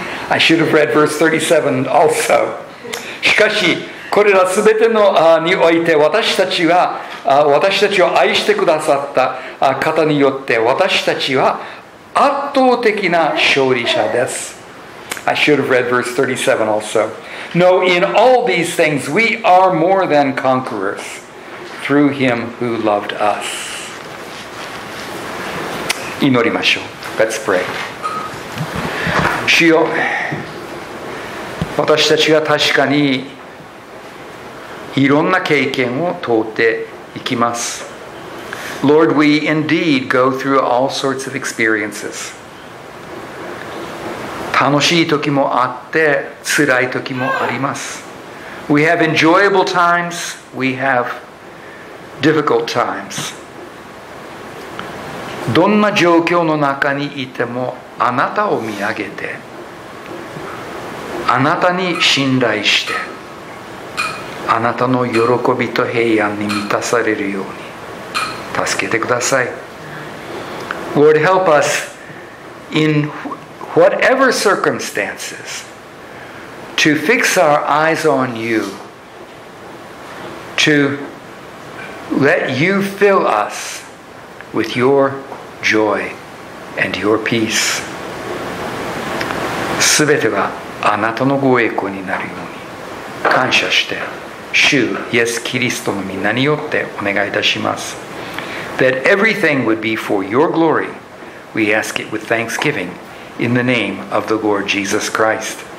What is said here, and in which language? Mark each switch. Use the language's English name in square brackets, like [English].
[English] I should have read verse 37 also. [Japanese] しかしこれら全てのにおいて私たちは私たちを愛してくださった方によって私たちは圧倒的な勝利者です。 [English] I should have read verse 37 also. No, in all these things we are more than conquerors through him who loved us. [Japanese] 祈りましょう。 [English] Let's pray. [Japanese] 主よ、私たちが確かにいろんな経験を通っていきます。 [English] Lord, we indeed go through all sorts of experiences. [Japanese] 楽しい時もあって、辛い時もあります。 [English] We have enjoyable times, we have difficult times. [Japanese] どんな状況の中にいても、あなたを見上げて、あなたに信頼して、あなたの喜びと平安に満たされるように助けてください。 [English] Lord, help us in whatever circumstances to fix our eyes on you, to let you fill us with your joy and your peace. [Japanese] すべてがあなたのご栄光になるように感謝して。主イエスキリストの御名によってお願いいたします。 [English] That everything would be for your glory, we ask it with thanksgiving in the name of the Lord Jesus Christ.